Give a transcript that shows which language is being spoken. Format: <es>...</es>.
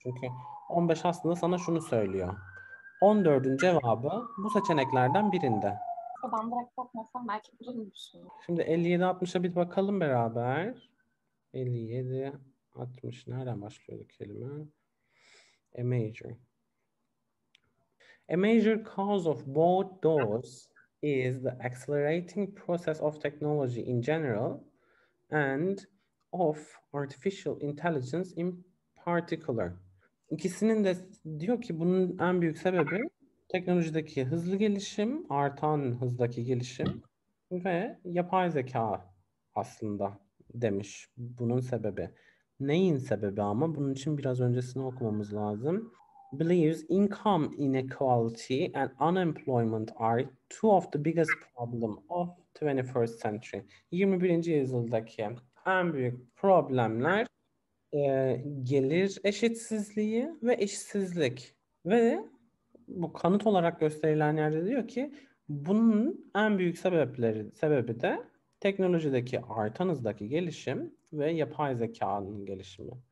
<tr>Çünkü 15 aslında sana şunu söylüyor. 14'ün cevabı bu seçeneklerden birinde. Ben direkt bakmasam belki bulurmuşsun. Şimdi 57-60'a bir bakalım beraber. 57-60 nereden başlıyordu kelime?</tr> <en>A major. A major cause of both those is the accelerating process of technology in general and of artificial intelligence in particular.</en> <tr>İkisinin de diyor ki bunun en büyük sebebi teknolojideki hızlı gelişim, artan hızdaki gelişim ve yapay zeka aslında demiş bunun sebebi. Neyin sebebi ama? Bunun için biraz öncesini okumamız lazım.</tr> <en>Believes income inequality and unemployment are two of the biggest problem of 21st century.</en> <tr>21. yüzyıldaki en büyük problemler gelir eşitsizliği ve işsizlik. Ve bu kanıt olarak gösterilen yerde diyor ki Bunun en büyük sebebi de teknolojideki artan hızdaki gelişim ve yapay zekanın gelişimi.</tr>